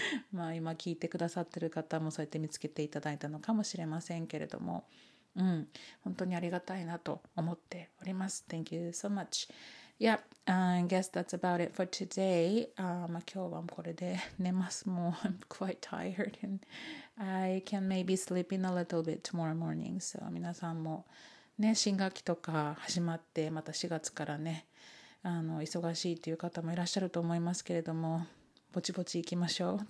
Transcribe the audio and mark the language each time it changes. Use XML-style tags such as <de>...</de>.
<ja>まあ今聞いてくださってる方もそうやって見つけていただいたのかもしれませんけれども、うん、本当にありがたいなと思っております。</ja> <en>Thank you so much. Yeah, I guess that's about it for today.</en> <ja>まあ今日はこれで寝ます。</ja> <en>もう I'm quite tired and I can maybe sleep in a little bit tomorrow morning.</en> <ja>So 皆さんもね、新学期とか始まってまた4月からね、忙しいという方もいらっしゃると思いますけれども、ぼちぼち行きましょう。</ja>